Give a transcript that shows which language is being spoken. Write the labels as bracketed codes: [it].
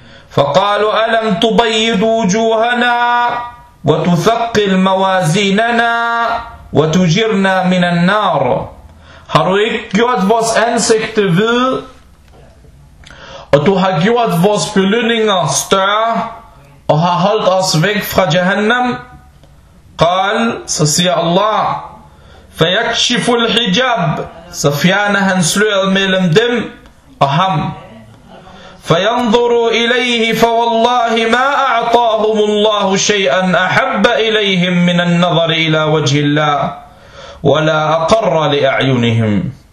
[ar] فقالوا ألم تبيض وجوهنا وتثقل موازيننا وتجرنا من النار. [da] Har du ikke gjort vores ansigte hvid, og du har gjort vores belønninger større, og har holdt os væk fra Jahannam? قال, så siger Allah, [ar] فيكشف الحجاب, [da] så fjerner han sløret mellem dem og ham. [ar] فينظروا إليه فوالله ما أعطاهم الله شيئا أحب إليهم من النظر إلى وجه الله ولا أقر لأعينهم.